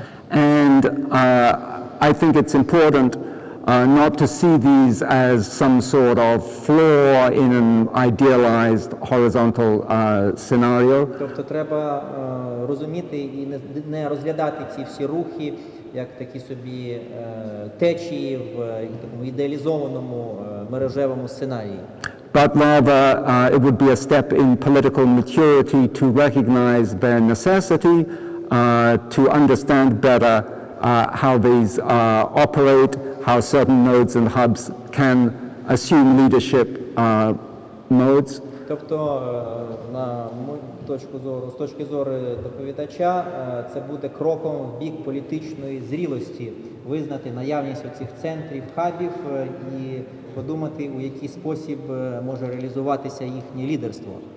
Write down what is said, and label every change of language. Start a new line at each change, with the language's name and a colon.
English: And I think it's important not to see these as some sort of flaw in an idealized horizontal scenario.
Ukrainian: Тобто треба розуміти і не розглядати ці всі рухи як такі собі течії в такому ідеалізованому мережевому сценарії.
English: But rather, it would be a step in political maturity to recognize their necessity to understand better how these operate, how certain nodes and hubs can assume leadership modes.
Ukrainian: Тобто, на мою точку зору, з точки зору доповідача, це буде кроком в бік політичної зрілості, визнати наявність оцих центрів, хабів і подумати, у який спосіб може реалізуватися їхнє лідерство.